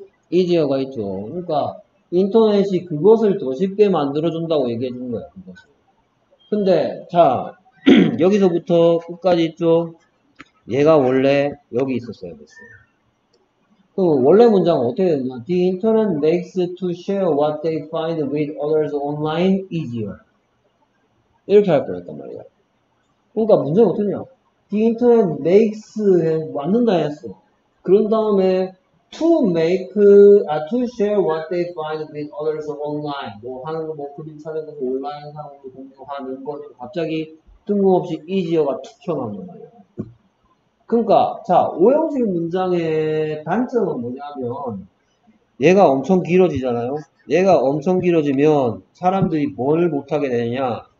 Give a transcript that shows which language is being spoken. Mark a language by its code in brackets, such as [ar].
[ko] 이지어가 있죠. 그러니까 인터넷이 그것을 더 쉽게 만들어준다고 얘기해준 거야. 근데 자 여기서부터 끝까지 있죠. 얘가 원래 여기 있었어야 됐어요. 그 원래 문장은 어떻게 되냐? [en] The internet makes to share what they find with others online easier. [ko] 이렇게 할 뻔했단 말이야. 그러니까 문장이 어떠냐? [en] The internet makes [ko] 만든다 했어. [en] 그런 다음에 to make, to share what they find with others online. [ko] 뭐 하는 거, 뭐 그림 찾아가서 온라인 상으로 공부하는 거, 갑자기 뜬금없이 easier가 툭 튀어나온 거예요. 그러니까 자, 5형식 문장의 단점은 뭐냐면 얘가 엄청 길어지잖아요. 얘가 엄청 길어지면 사람들이 뭘 못하게 되느냐.